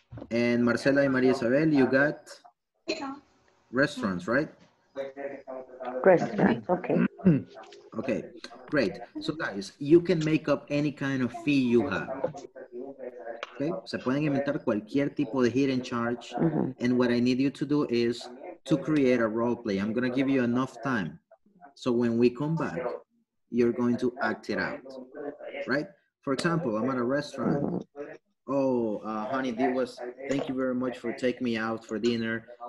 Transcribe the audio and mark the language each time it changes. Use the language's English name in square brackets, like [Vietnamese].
[English] And Marcela and Maria Isabel, you got restaurants, right? Restaurants, okay. Okay, great. So guys, you can make up any kind of fee you have. [Spanish] Okay, se pueden inventar cualquier tipo de hidden charge. Mm-hmm. [English] And what I need you to do is to create a role play. I'm going to give you enough time. So when we come back, you're going to act it out, right? For example, I'm at a restaurant. Oh, honey, this was, thank you very much for taking me out for dinner.